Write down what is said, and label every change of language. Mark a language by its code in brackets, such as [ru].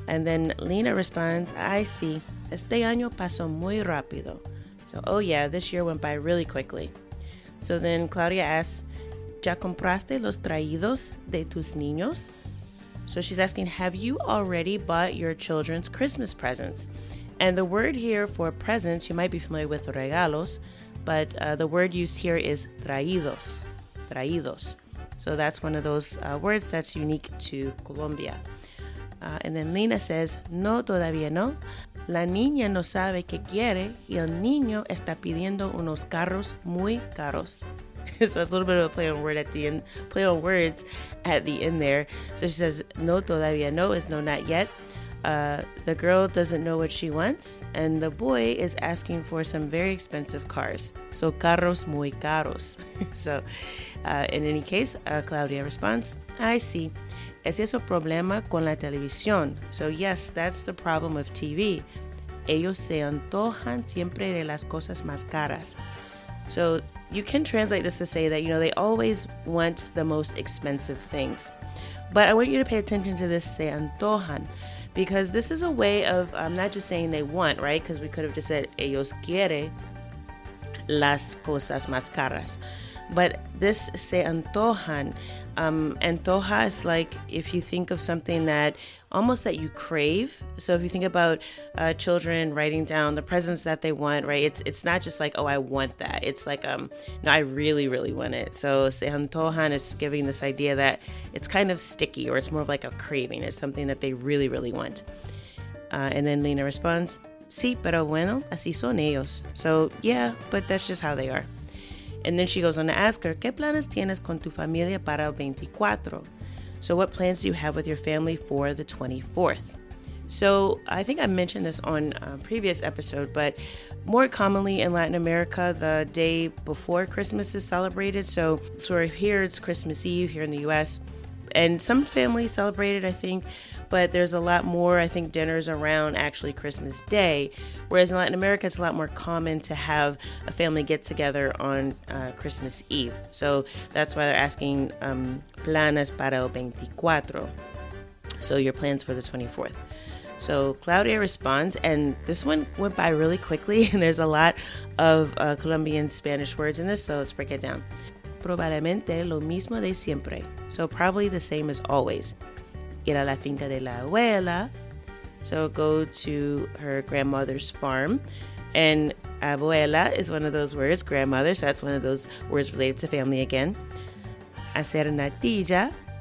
[en] And then Lina responds, I see, [es] este año pasó muy rápido. [en] So, oh yeah, this year went by really quickly. So then Claudia asks, [es] ¿ya compraste los traídos de tus niños? [en] So she's asking, have you already bought your children's Christmas presents? And the word here for presents, you might be familiar with regalos, but the word used here is traídos, traídos. So that's one of those words that's unique to Colombia. And then Lina says, [es] no, todavía no. La niña no sabe qué quiere y el niño está pidiendo unos carros muy caros. [en] So it's a little bit of a play on words at the end there. So she says, [es] no, todavía no [en] is no, not yet. The girl doesn't know what she wants, and the boy is asking for some very expensive cars. So, [es] carros muy caros. [en] So, in any case, Claudia responds, I see. [es] ¿Es eso problema con la televisión? [en] So, yes, that's the problem of TV. [es] Ellos se antojan siempre de las cosas más caras. [en] So, you can translate this to say that, you know, they always want the most expensive things. But I want you to pay attention to this, [es] se antojan. [en] Because this is a way of, I'm not just saying they want, right? Because we could have just said, [es] ellos quiere las cosas más caras. [en] But this [es] se antojan. [en] Antoja is like if you think of something that almost that you crave. So if you think about children writing down the presents that they want, right? It's not just like, oh, I want that. It's like, no, I really, really want it. So [es] se antojan [en] is giving this idea that it's kind of sticky or it's more of like a craving. It's something that they really, really want. And then Lina responds, [es] sí, pero bueno, así son ellos. [en] So yeah, but that's just how they are. And then she goes on to ask her, [es] ¿qué planes tienes con tu familia para el 24? [en] So what plans do you have with your family for the 24th? So I think I mentioned this on a previous episode, but more commonly in Latin America, the day before Christmas is celebrated. So sort of here, it's Christmas Eve here in the U.S. And some families celebrate it, I think, but there's a lot more, I think, dinners around actually Christmas Day. Whereas in Latin America, it's a lot more common to have a family get together on Christmas Eve. So that's why they're asking, [es] planes para el 24. [en] So your plans for the 24th. So Claudia responds, and this one went by really quickly, and there's a lot of Colombian Spanish words in this, so let's break it down. [es] Probablemente lo mismo de siempre. [en] So probably the same as always. [es] Ir a la finca de la abuela. [en] So go to her grandmother's farm. And abuela is one of those words, grandmother. So that's one of those words related to family again. [es] Hacer natilla.